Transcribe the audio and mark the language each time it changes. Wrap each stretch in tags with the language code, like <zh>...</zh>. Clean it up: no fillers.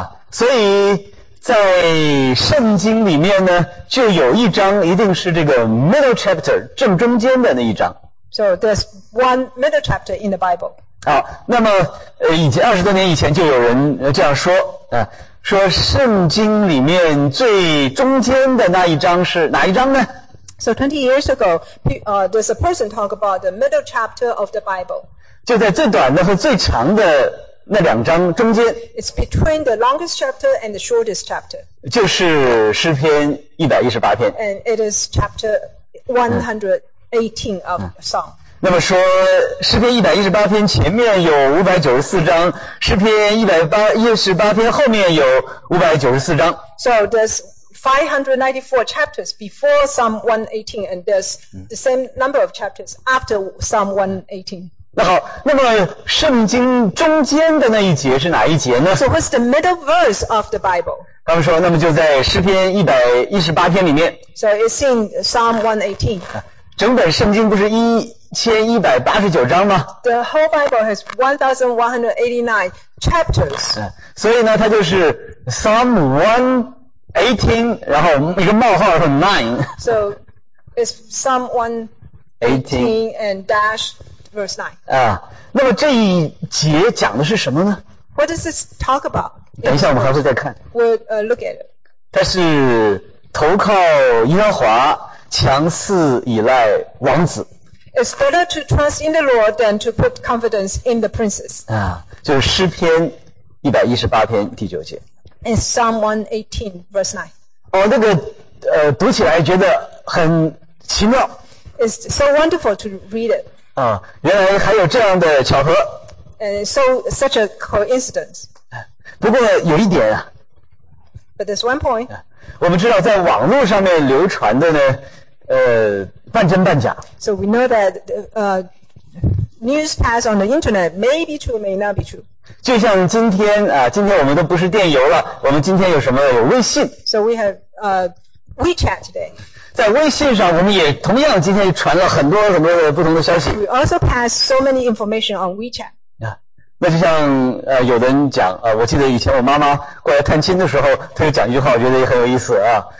<zh>所以在圣经里面呢，就有一章一定是这个 middle chapter, 正中间的那一章。</zh> <en>So there's one middle chapter in the Bible.</en> <zh>好，那么以前20多年以前就有人这样说，说圣经里面最中间的那一章是哪一章呢？</zh> <en>So 20 years ago, there's a person talk about the middle chapter of the Bible.</en> <zh>就在最短的和最长的那两章中间。</zh> <en>It's between the longest chapter and the shortest chapter.</en> <zh>就是诗篇118篇。</zh> <en>And it is chapter 118 of Psalm.</en> <zh>那么说诗篇118篇前面有594章，诗篇118篇后面有594章。</zh> <en>So there's 594 chapters before Psalm 118 and there's the same number of chapters after Psalm 118.</en> <zh>那好，那么圣经中间的那一节是哪一节呢？</zh> <en>So what's the middle verse of the Bible?</en> <zh>他们说那么就在诗篇118篇里面。</zh> <en>So it's in Psalm 118.</en> <zh>整本圣经不是1189章吗？</zh> <en>The whole Bible has 1189 chapters.</en> <zh>所以呢它就是 Psalm 118, 然后一个冒号是 9.</zh> <en>So, it's Psalm 118 and dash verse 9.</en> <zh>那么这一节讲的是什么呢？</zh> <en>What does this talk about?</en> <zh>等一下我们还会再看。</zh> <en>We'll look at it.</en> <zh>它是投靠耶和华，强似倚赖王子。</zh> <en>It's better to trust in the Lord than to put confidence in the princes.</en> <zh>就是诗篇118篇第九节。</zh> <en>And Psalm 118 verse 9.</en> <zh>那个读起来觉得很奇妙。</zh> <en>It's so wonderful to read it.</en> <zh>原来还有这样的巧合。</zh> <en>And so such a coincidence.</en> <zh>不过有一点啊。</zh> <en>But there's one point.</en> <zh>我们知道在网络上面流传的呢半真半假。</zh> <en>So we know that news pass on the internet may be true, may not be true.</en> <zh>就像今天今天我们都不是电邮了，我们今天有什么？有微信。</zh> <en>So we have WeChat today.</en> <zh>在微信上，我们也同样今天传了很多很多的不同的消息。</zh> <en>We also pass so many information on WeChat.</en> <zh>那就像有的人讲我记得以前我妈妈过来探亲的时候，她就讲一句话，我觉得也很有意思啊。</zh>